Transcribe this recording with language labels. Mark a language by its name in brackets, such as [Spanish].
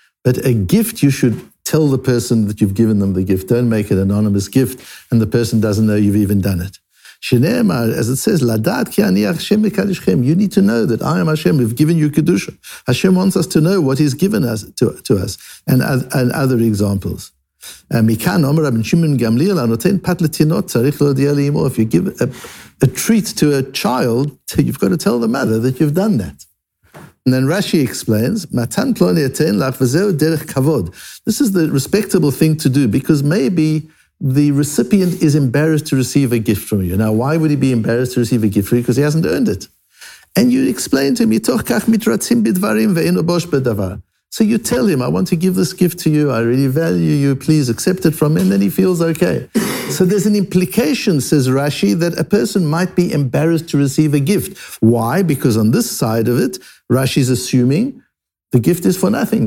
[English] But a gift, you should tell the person that you've given them the gift. Don't make it an anonymous gift and the person doesn't know you've even done it. Shenemar, as it says, [Hebrew] Ladat ki ani Hashem mekadishchem. [English] You need to know that I am Hashem. We've given you kedusha. Hashem wants us to know what He's given us to us, and other examples. [Hebrew] מכאן אומר רבן שמעון גמליאל, הנותן פת לתינוק צריך להודיע לאמו. [English] If you give a treat to a child, you've got to tell the mother that you've done that. And then Rashi explains, [Hebrew] מתן פלוני אתן לך, וזהו דרך כבוד. [English] This is the respectable thing to do, because maybe the recipient is embarrassed to receive a gift from you. Now, why would he be embarrassed to receive a gift from you? Because he hasn't earned it. And you explain to him, [Hebrew] מתוך כך מתרצים בדברים ואין בוש בדבר. [English] So you tell him, I want to give this gift to you, I really value you, please accept it from me, and then he feels okay. So there's an implication, says Rashi, that a person might be embarrassed to receive a gift. Why? Because on this side of it, Rashi's assuming the gift is for nothing.